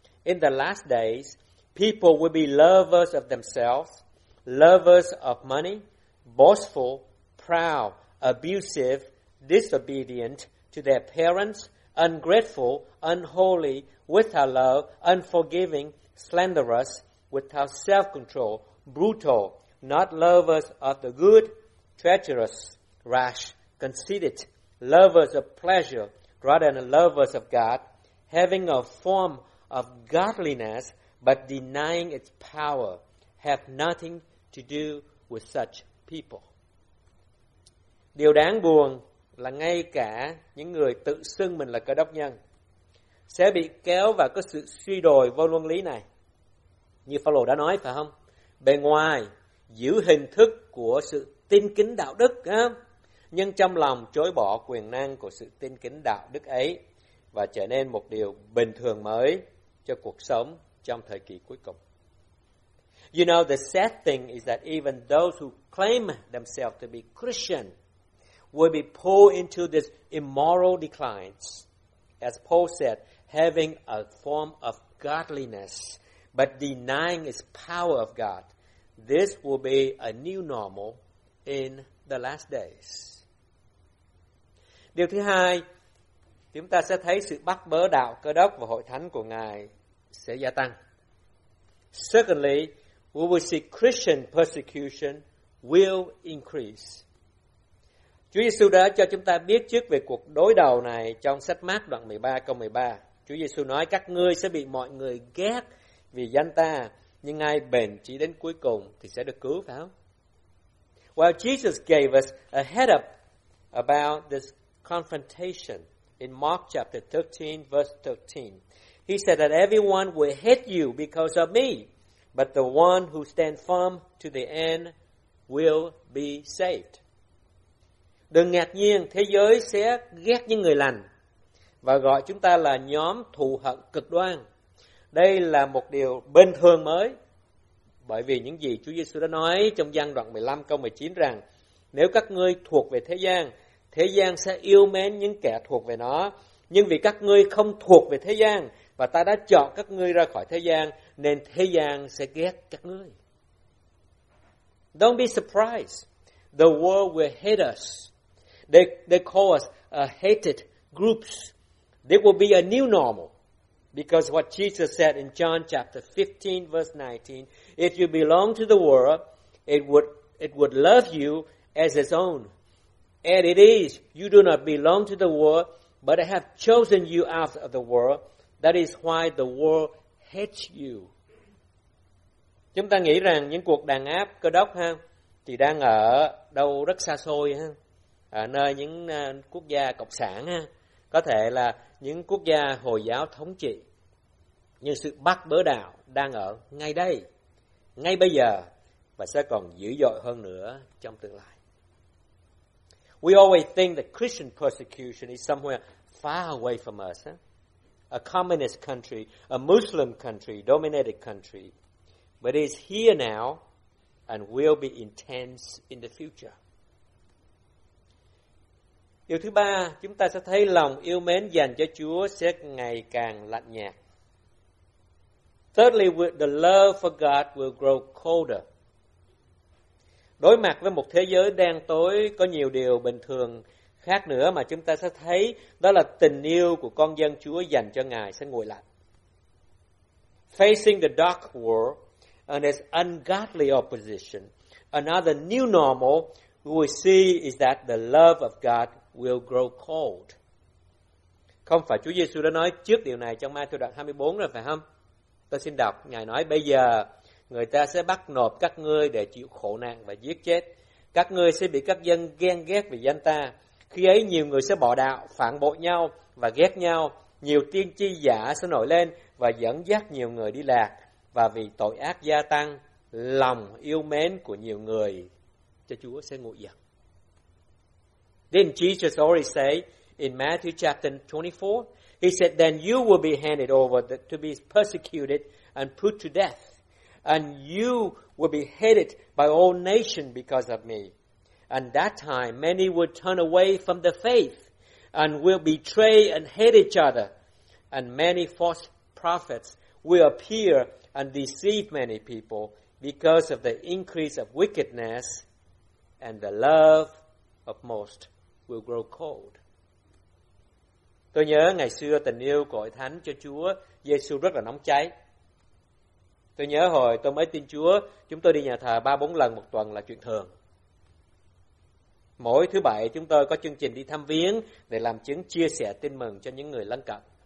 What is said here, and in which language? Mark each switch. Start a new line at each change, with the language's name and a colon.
English: In the last days, people will be lovers of themselves, lovers of money, boastful, proud, abusive, disobedient to their parents, ungrateful, unholy, without love, unforgiving, slanderous, without self-control, brutal, not lovers of the good, treacherous, rash, conceited, lovers of pleasure rather than lovers of God, having a form of godliness but denying its power, have nothing to do with such people.
Vietnamese: Điều đáng buồn là ngay cả những người tự xưng mình là cơ đốc nhân sẽ bị kéo vào cái sự suy đồi vô luân lý này. Như Phaolô đã nói, phải không? Bề ngoài giữ hình thức của sự tin kính đạo đức, nhưng trong lòng chối bỏ quyền năng của sự tin kính đạo đức ấy và trở nên một điều bình thường mới cho cuộc sống trong thời kỳ cuối cùng.
English: You know, the sad thing is that even those who claim themselves to be Christian will be pulled into this immoral decline. As Paul said, having a form of godliness but denying its power of God, this will be a new normal in the last days.
Vietnamese: Điều thứ hai, chúng ta sẽ thấy sự bắt bớ đạo cơ đốc và hội thánh của Ngài sẽ gia tăng.
English: Secondly, we will see Christian persecution will increase.
Vietnamese: Chúa Giê-xu đã cho chúng ta biết trước về cuộc đối đầu này trong sách Mác đoạn 13 câu 13. Chúa Giê-xu nói: các ngươi sẽ bị mọi người ghét vì danh ta, nhưng ai bền chí đến cuối cùng thì sẽ được cứu, phải không?
English: Well, Jesus gave us a heads up about this confrontation in Mark chapter 13, verse 13. He said that everyone will hate you because of me, but the one who stands firm to the end will be saved.
Vietnamese: Đừng ngạc nhiên, thế giới sẽ ghét những người lành và gọi chúng ta là nhóm thù hận cực đoan. Đây là một điều bình thường mới, bởi vì những gì Chúa Giê-xu đã nói trong Giăng đoạn 15 câu 19 rằng: nếu các ngươi thuộc về thế gian sẽ yêu mến những kẻ thuộc về nó. Nhưng vì các ngươi không thuộc về thế gian và ta đã chọn các ngươi ra khỏi thế gian, nên thế gian sẽ ghét các ngươi.
English: Don't be surprised. The world will hate us. They call us a hated groups. There will be a new normal. Because what Jesus said in John chapter 15, verse 19, if you belong to the world, it would love you as its own. And it is, you do not belong to the world, but I have chosen you out of the world. That is why the world hates you.
Vietnamese: Chúng ta nghĩ rằng những cuộc đàn áp cơ đốc ha, thì đang ở đâu rất xa xôi ha, ở nơi những quốc gia cộng sản ha, có thể là những quốc gia Hồi giáo thống trị. Nhưng sự bắt bớ đạo đang ở ngay đây, ngay bây giờ, và sẽ còn dữ dội hơn nữa trong tương lai.
English: We always think that Christian persecution is somewhere far away from us. Huh? a communist country, a Muslim country, dominated country, but is here now and will be intense in the future.
Vietnamese: Điều thứ ba, chúng ta sẽ thấy lòng yêu mến dành cho Chúa sẽ ngày càng lạnh nhạt.
English: Thirdly, the love for God will grow colder.
Vietnamese: Đối mặt với một thế giới đen tối, có nhiều điều bình thường khác nữa mà chúng ta sẽ thấy, đó là tình yêu của con dân Chúa dành cho Ngài sẽ nguội lạnh.
English: Facing the dark world and its ungodly opposition, another new normal we see is that the love of God will grow cold.
Vietnamese: Không phải Chúa Giêsu đã nói trước điều này trong Ma-thi-ơ đoạn 24 rồi phải không? Tôi xin đọc, Ngài nói bây giờ người ta sẽ bắt nộp các ngươi để chịu khổ nạn và giết chết. Các ngươi sẽ bị các dân ghen ghét vì danh ta. Khi ấy nhiều người sẽ bỏ đạo, phản bội nhau và ghét nhau. Nhiều tiên tri giả sẽ nổi lên và dẫn dắt nhiều người đi lạc. Và vì tội ác gia tăng, lòng yêu mến của nhiều người cho Chúa sẽ nguội dần.
English: Then Jesus already said in Matthew chapter 24, He said, then you will be handed over to be persecuted and put to death. And you will be hated by all nations because of me. And that time, many will turn away from the faith and will betray and hate each other. And many false prophets will appear and deceive many people because of the increase of wickedness, and the love of most will grow cold.
Vietnamese: Tôi nhớ ngày xưa tình yêu của Hội Thánh cho Chúa Giêsu rất là nóng cháy. Tôi nhớ hồi tôi mới tin Chúa, chúng tôi đi nhà thờ 3-4 lần một tuần là chuyện thường. Mỗi thứ bảy chúng tôi có chương trình đi thăm viếng để làm chứng chia sẻ tin mừng cho những người lân cận.